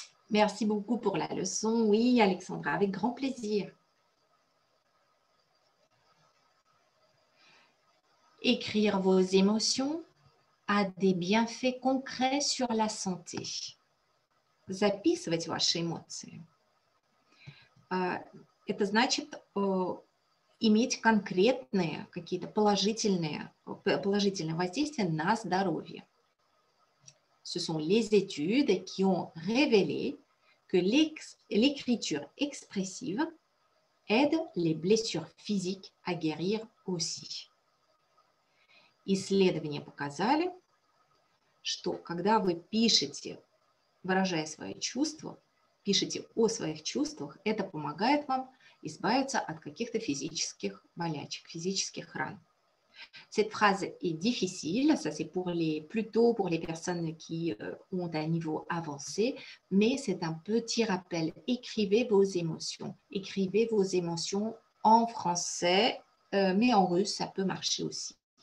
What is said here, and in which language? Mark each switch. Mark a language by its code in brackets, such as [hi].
[fr] Merci beaucoup pour la leçon. Oui, Alexandra, avec grand plaisir. Écrire vos émotions a des bienfaits concrets sur la santé. [ru] Записывать ваши эмоции. Это значит иметь конкретные какие-то положительные воздействия на здоровье. [fr] Ce sont les études qui ont révélé que l'écriture expressive aide les blessures physiques à guérir aussi. [ru] Исследования показали, что когда вы пишете, выражая свои чувства, пишете о своих чувствах, это помогает вам избавиться от каких-то физических болячек, физических ран. [fr] Cette phrase est difficile, ça c'est pour les, plutôt pour les personnes qui ont un niveau avancé, mais c'est un petit rappel. Écrivez vos émotions. Écrivez vos émotions en français, mais en russe, ça peut marcher aussi.